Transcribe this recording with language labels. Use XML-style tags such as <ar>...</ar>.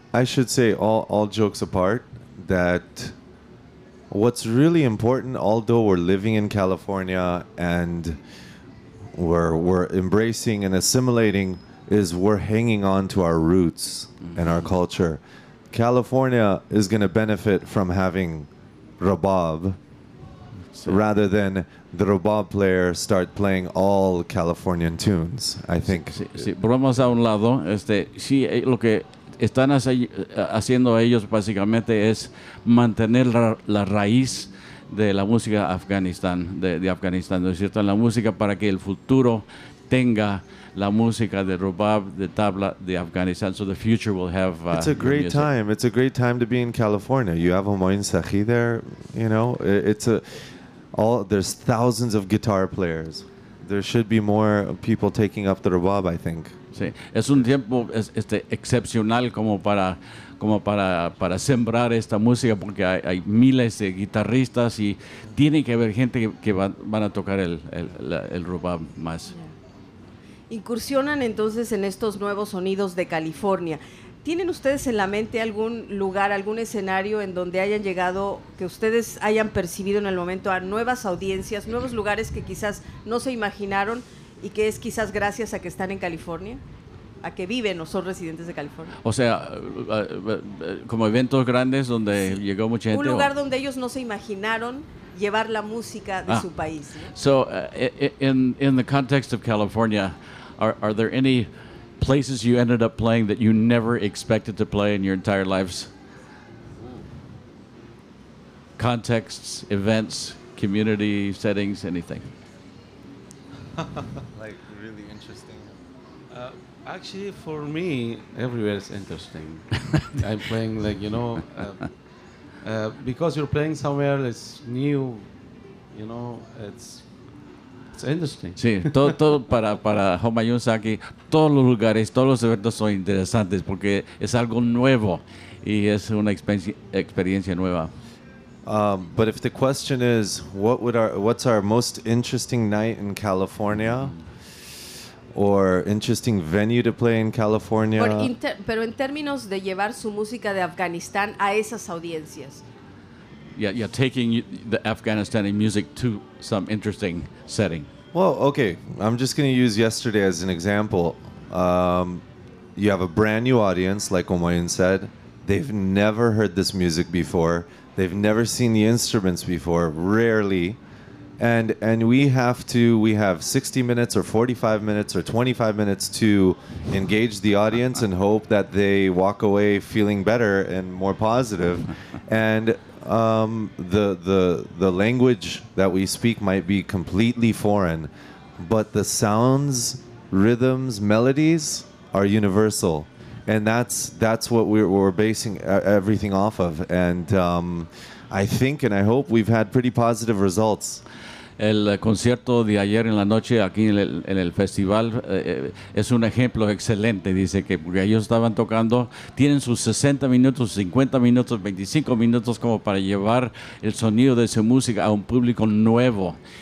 <en>I should say, all jokes apart, that what's really important, although we're living in California and we're embracing and assimilating, is we're hanging on to our roots and our culture. California is going to benefit from having rabab rather than the rabab player start playing all Californian tunes, I think.</en> <es>Sí, sí. Bromas a un lado, sí, lo que están haciendo ellos básicamente es mantener la raíz de la música de Afganistán, ¿no es cierto? En la música para que el futuro tenga la música de rubab, de tabla, de Afganistán.</es> <en>So the future will have. It's a great time. It's a great time to be in California. You have a Moin Sahi there. You know, there's thousands of guitar players. There should be more people taking up the rubab, I think.</en> <es>Sí, es un tiempo excepcional como para sembrar esta música, porque hay miles de guitarristas y tiene que haber gente que van a tocar el rubab más. Incursionan entonces en estos nuevos sonidos de California. ¿Tienen ustedes en la mente algún lugar, algún escenario en donde hayan llegado, que ustedes hayan percibido en el momento, a nuevas audiencias, nuevos lugares que quizás no se imaginaron y que es quizás gracias a que están en California? ¿A que viven o son residentes de California? O sea, como eventos grandes donde sí llegó mucha gente. Un lugar donde ellos no se imaginaron llevar la música de su país.</es> <en>So, in the context of California, are there any places you ended up playing that you never expected to play in your entire lives? Contexts, events, community settings, anything? Like, really interesting. Actually, for me, everywhere is interesting. I'm playing, like, you know, because you're playing somewhere that's new, you know, it's interesting.</en> <es>Sí, todo para Homayun Saki, todos los lugares, todos los eventos son interesantes porque es algo nuevo y es una experiencia nueva.</es> <en>But if the question is, what's our most interesting night in California? Or interesting venue to play in California.</en> <es>Pero en términos de llevar su música de Afganistán a esas audiencias.</es> <en>Yeah, taking the Afghanistani music to some interesting setting. Well, okay, I'm just going to use yesterday as an example. You have a brand new audience, like Omoyun said. They've never heard this music before. They've never seen the instruments before, rarely. And we have 60 minutes or 45 minutes or 25 minutes to engage the audience and hope that they walk away feeling better and more positive. And the language that we speak might be completely foreign, but the sounds, rhythms, melodies are universal. And that's what we're basing everything off of. And I think and I hope we've had pretty positive results.</en> <es>El concierto de ayer en la noche aquí en el festival es un ejemplo excelente, dice que porque ellos estaban tocando, tienen sus 60 minutos, 50 minutos, 25 minutos como para llevar el sonido de su música a un público nuevo.</es>